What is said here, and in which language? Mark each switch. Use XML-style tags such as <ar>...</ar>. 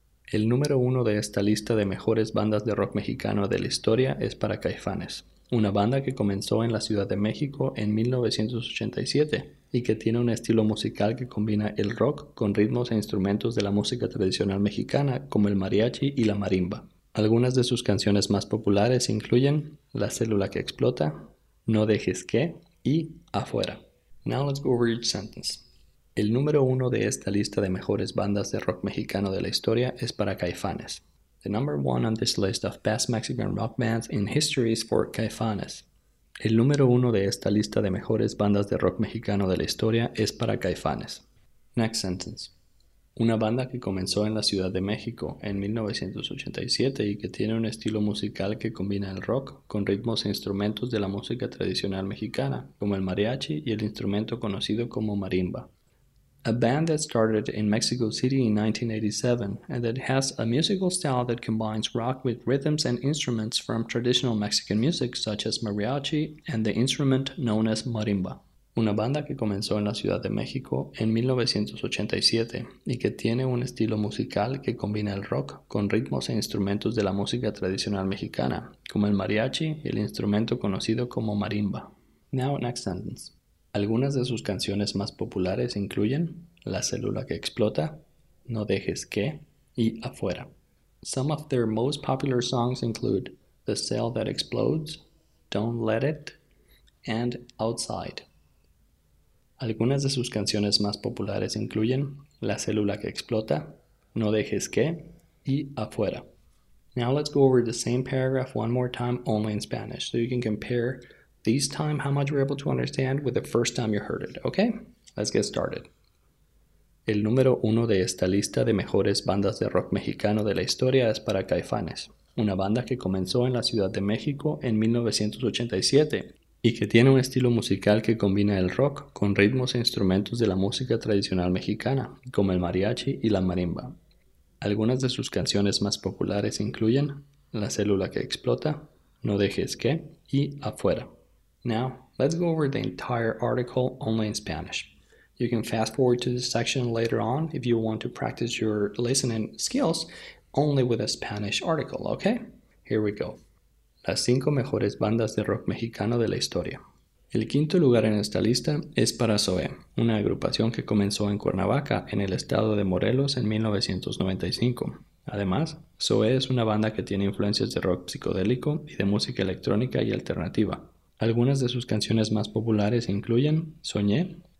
<es>El número uno de esta lista de mejores bandas de rock mexicano de la historia es para Caifanes, una banda que comenzó en la Ciudad de México en 1987 y que tiene un estilo musical que combina el rock con ritmos e instrumentos de la música tradicional mexicana como el mariachi y la marimba. Algunas de sus canciones más populares incluyen La Célula que Explota, No Dejes Que y Afuera.</es> <en>Now let's go over each sentence.</en> <es>El número uno de esta lista de mejores bandas de rock mexicano de la historia es para Caifanes.</es> <en>The number one on this list of best Mexican rock bands in history is for Caifanes.</en> <es>El número uno de esta lista de mejores bandas de rock mexicano de la historia es para Caifanes.</es> <en>Next sentence.</en> <es>Una banda que comenzó en la Ciudad de México en 1987 y que tiene un estilo musical que combina el rock con ritmos e instrumentos de la música tradicional mexicana, como el mariachi y el instrumento conocido como marimba.</es> <en>A band that started in Mexico City in 1987 and that has a musical style that combines rock with rhythms and instruments from traditional Mexican music such as mariachi and the instrument known as marimba.</en> <es>Una banda que comenzó en la Ciudad de México en 1987 y que tiene un estilo musical que combina el rock con ritmos e instrumentos de la música tradicional mexicana, como el mariachi y el instrumento conocido como marimba.</es> <en>Now next sentence.</en> <es>Algunas de sus canciones más populares incluyen La Célula que Explota, No Dejes Que y Afuera.</es> <en>Some of their most popular songs include The Cell That Explodes, Don't Let It, and Outside.</en> <es>Algunas de sus canciones más populares incluyen La Célula que Explota, No Dejes Que y Afuera.</es> <en>Now let's go over the same paragraph one more time only in Spanish so you can compare this time, how much you're able to understand with the first time you heard it, okay? Let's get started.</en> <es>El número uno de esta lista de mejores bandas de rock mexicano de la historia es para Caifanes, una banda que comenzó en la Ciudad de México en 1987 y que tiene un estilo musical que combina el rock con ritmos e instrumentos de la música tradicional mexicana, como el mariachi y la marimba. Algunas de sus canciones más populares incluyen La Célula que Explota, No Dejes Que y Afuera.</es> <en>Now, let's go over the entire article only in Spanish. You can fast forward to this section later on if you want to practice your listening skills only with a Spanish article, okay? Here we go.</en> <es>Las cinco mejores bandas de rock mexicano de la historia. El quinto lugar en esta lista es para Zoé, una agrupación que comenzó en Cuernavaca, en el estado de Morelos, en 1995. Además, Zoé es una banda que tiene influencias de rock psicodélico y de música electrónica y alternativa. Algunas de sus canciones más populares incluyen Soñé,</es>